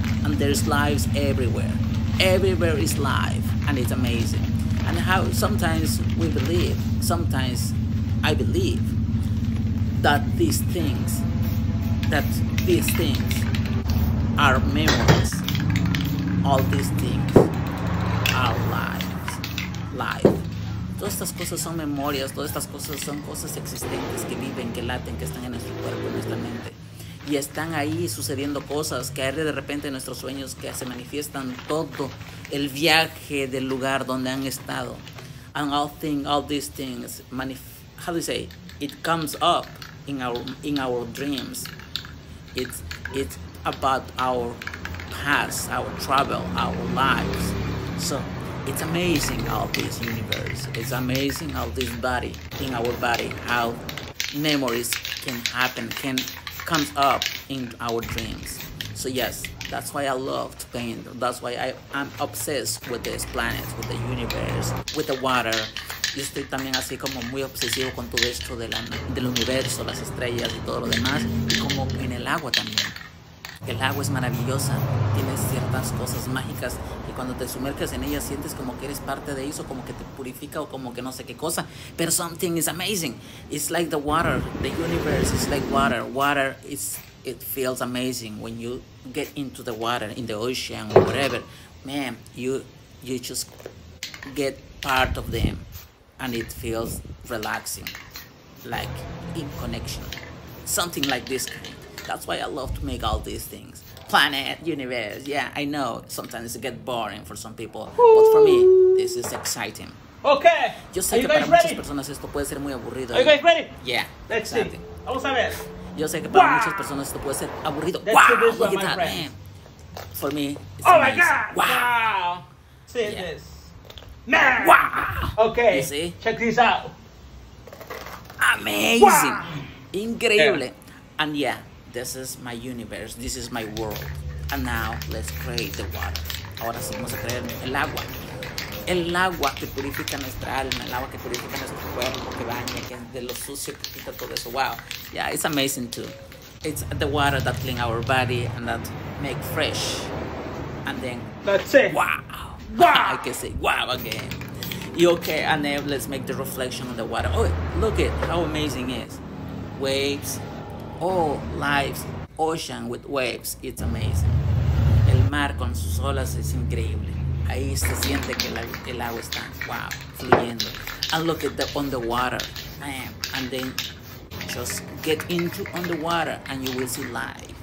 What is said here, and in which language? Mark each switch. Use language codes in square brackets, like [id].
[en] And there's lives everywhere. Everywhere is life, and it's amazing. And how sometimes I believe that these things are memories. All these things are life. [es] Todas estas cosas son memorias, todas estas cosas son cosas existentes que viven, que laten, que están en nuestro cuerpo, en nuestra mente. Y están ahí sucediendo cosas, caer de repente en nuestros sueños, que se manifiestan todo el viaje del lugar donde han estado. [en] And all these things, how do you say, it comes up in our dreams. It's about our past, our travel, our lives. So it's amazing how this universe, it's amazing how this body, in our body, how memories can happen, can comes up in our dreams. So yes, that's why I love to paint. That's why I'm obsessed with this planet, with the universe, with the water. [es] Yo estoy también así como muy obsesivo con todo esto del universo, las estrellas y todo lo demás. Y como en el agua también. El agua es maravillosa. Tiene ciertas cosas mágicas que cuando te sumerges en ella sientes como que eres parte de eso, como que te purifica o como que no sé qué cosa. [en] Pero something is amazing. It's like the water. The universe is like water. Water is... It feels amazing when you get into the water, in the ocean, or whatever. Man, you just get part of them, and it feels relaxing, like in connection. Something like this kind. That's why I love to make all these things. Planet, universe, yeah, I know. Sometimes it gets boring for some people, but for me, this is exciting. Okay, [es] yo sé que para muchas personas esto puede ser muy aburrido. [en] Are you guys ready? Yeah, let's exciting. See. [es] Vamos a ver. Yo sé que para wow. muchas personas esto puede ser aburrido. [en] That's wow, look one, at that, friend. Man. For me, it's oh amazing. My God! Wow! Wow. See yeah. this. Man! Wow! Okay, you see? Check this out. Amazing! Wow. Increíble! Yeah. And yeah, this is my universe, this is my world. And now, let's create the water. [es] Ahora sí, vamos a crear el agua. El agua que purifica nuestra alma, el agua que purifica nuestro cuerpo, que baña, que de lo sucio que quita todo eso. [en] Wow, yeah, it's amazing too. It's the water that clean our body and that make fresh. And then, that's it. Wow, wow. I can say wow again. Okay, and then let's make the reflection of the water. Oh, look it, how amazing it is. Waves, Oh, life's ocean with waves, it's amazing. [es] El mar con sus olas es increíble. Ahí se siente que el agua está, wow, fluyendo. [en] And look at on the water, man. And then just get into on the water and you will see life.